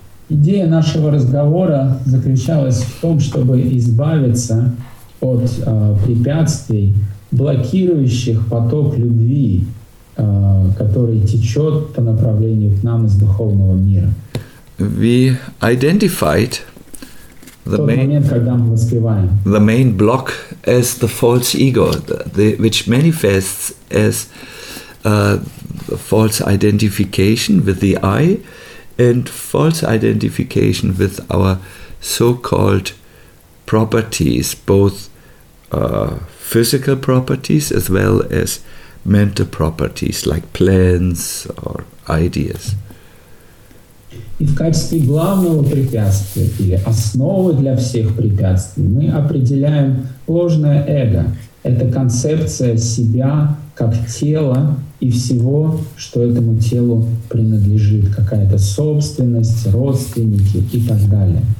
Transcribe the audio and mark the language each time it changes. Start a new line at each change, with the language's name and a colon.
Russian: Идея нашего разговора заключалась в том, чтобы избавиться от препятствий, блокирующих поток любви, который течет по направлению к нам из духовного мира.
English: We identified the main,
Russian: момент, когда мы воспеваем,
English: the main block as the false ego, which manifests as the false identification with the I and false identification with our so-called properties, both physical properties as well as mental properties like plans or ideas.
Russian: И в качестве главного препятствия или основы для всех препятствий мы определяем ложное эго. Это концепция себя как тела и всего, что этому телу принадлежит. Какая-то собственность, родственники и так далее.